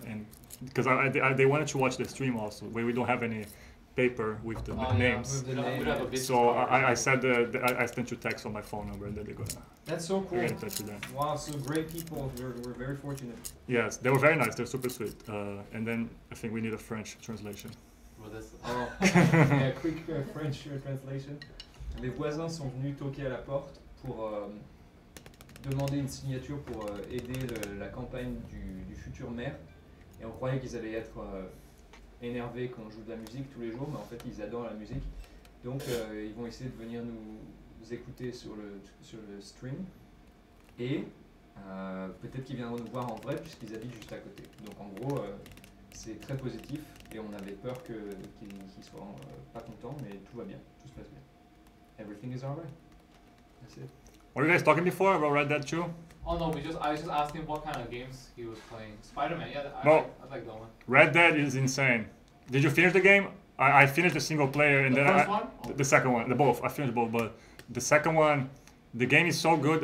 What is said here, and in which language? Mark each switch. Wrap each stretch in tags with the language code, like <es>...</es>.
<en>And because they wanted to watch the stream also, where we don't have any paper with the names. So I sent you text on my phone number, and then they go. That's so cool. Get in touch with them. Wow, so great people. We're very fortunate. Yes, they were very nice. They're super sweet. And then I think we need a French translation. yeah, quick French translation.</en> <fr>Les voisins sont venus toquer à la porte pour demander une signature pour aider la campagne du futur maire. Et on croyait qu'ils allaient être énervés qu'on joue de la musique tous les jours, mais en fait ils adorent la musique, donc ils vont essayer de venir nous écouter sur le stream, et peut-être qu'ils viendront nous voir en vrai puisqu'ils habitent juste à côté. Donc en gros c'est très positif, et on avait peur qu'ils soient pas contents, mais tout va bien, tout se passe bien.</fr> <en>Everything is alright. That's it. Were you guys talking before about Red Dead 2? Oh no, I was just asking him what kind of games he was playing. Spider-Man, yeah, I like that one. Red Dead is insane. Did you finish the game? I finished the single player, and the then first one? The second one, the both. I finished both, but the second one, the game is so good.</en>